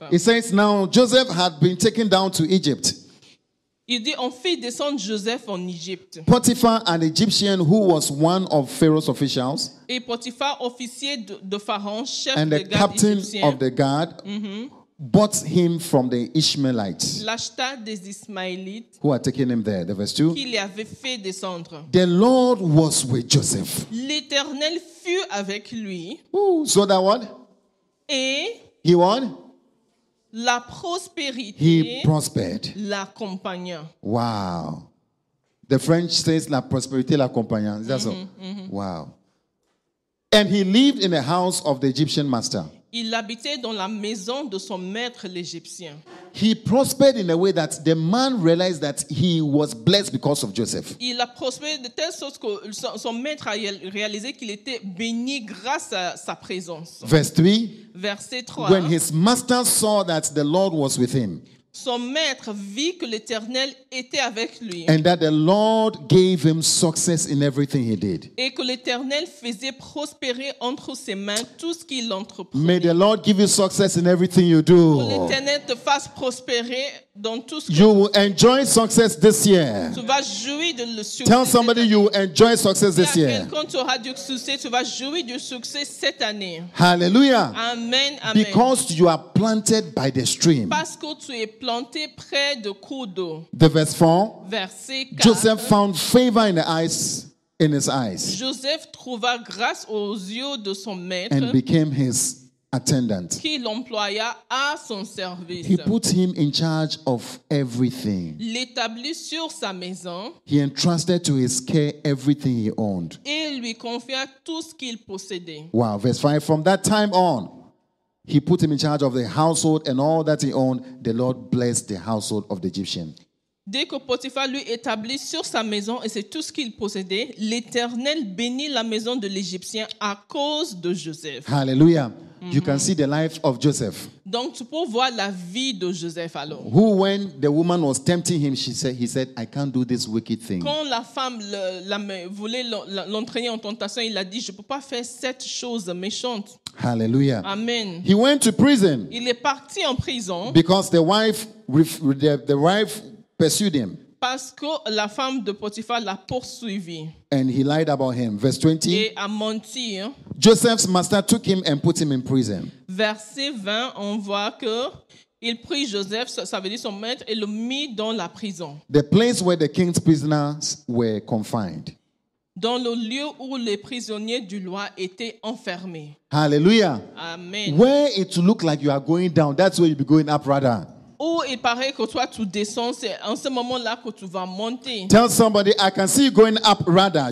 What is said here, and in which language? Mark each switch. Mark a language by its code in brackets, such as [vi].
[en] It says now Joseph had been taken down to Egypt. [fr] Il dit on fit descendre Joseph en Égypte. [en] Potiphar, an Egyptian who was one of Pharaoh's officials. [fr] Et Potiphar, officier de Pharaon, chef de garde. [en] And the captain [fr] Égyptien. [en] Of the guard. Mm-hmm. Bought him from the Ishmaelites. [fr] L'acheta des Ismaélites. [en] Who had taken him there? The verse 2. [fr] Qui les avait fait descendre. [en] The Lord was with Joseph. [fr] L'Éternel fut avec lui. [en] Ooh, so that what? [fr] Et [en] he won. [fr] La prospérité. [en] He prospered. [fr] L'accompagna. [en] Wow. The French says [fr] la prospérité, la compagnie. [en] Is that so? Wow. And he lived in the house of the Egyptian master. [fr] Il habitait dans la maison de son maître l'Égyptien. [en] He prospered in a way that the man realized that he was blessed because of Joseph. [fr] Il a prospéré de telle sorte que son maître a réalisé qu'il était béni grâce à sa présence. [en] Verse 3. [fr] Verset 3. [en] When his master saw that the Lord was with him. [fr] Son maître vit que l'Éternel était avec lui. [en] And that the Lord gave him success in everything he did. [fr] Et que l'Éternel faisait prospérer entre ses mains tout ce qu'il entreprenait. [en] May the Lord give you success in everything you do. [fr] Que l'Éternel te fasse prospérer dans tout ce [en] you [fr] que [en] will [fr] tu [en] enjoy success this year. [fr] Tu vas jouir de le succès. [en] Tell somebody you will enjoy success this year. [fr] Quand tu auras du succès, tu vas jouir du succès cette année. [en] Hallelujah. Amen, amen. Because you are planted by the stream. [fr] Parce que tu es planté près de cours d'eau. [en] The verse 4. [fr] Verset 4. [en] Joseph found favor in the eyes in his eyes. [fr] Joseph trouva grâce aux yeux de son maître. [en] And became his attendant. [fr] Qui l'employa à son service. [en] He put him in charge of everything. [fr] L'établit sur sa maison. [en] He entrusted to his care everything he owned. [fr] Et lui confia tout ce qu'il possédait. [en] Wow, verse 5. From that time on, he put him in charge of the household and all that he owned. The Lord blessed the household of the Egyptian. [fr] Dès que Potiphar lui établit sur sa maison et c'est tout ce qu'il possédait, l'Éternel bénit la maison de l'Égyptien à cause de Joseph. [en] Hallelujah. You can see the life of Joseph. [fr] Donc tu peux voir la vie de Joseph alors. [en] Who, when the woman was tempting him, he said, I can't do this wicked thing. [fr] Quand la femme voulait l'entraîner en tentation, il a dit, je peux pas faire cette chose méchante. [en] Hallelujah. Amen. He went to prison. [fr] Il est parti en prison. [en] Because the wife pursued him. [fr] Parce que la femme de Potiphar l'a poursuivi. [en] And he lied about him. Verse 20. [fr] Et a menti. [en] Joseph's master took him and put him in prison. [fr] Verset 20, on voit que il prit Joseph, ça veut dire son maître, et le mit dans la prison. [en] The place where the king's prisoners were confined. [fr] Dans le lieu où les prisonniers du roi étaient enfermés. [en] Hallelujah. Amen. Where it looks like you are going down, that's where you'll be going up rather. [fr] Où il paraît que toi tu descends, c'est en ce moment-là que tu vas monter. [en] Tell somebody, I can see you going up rather.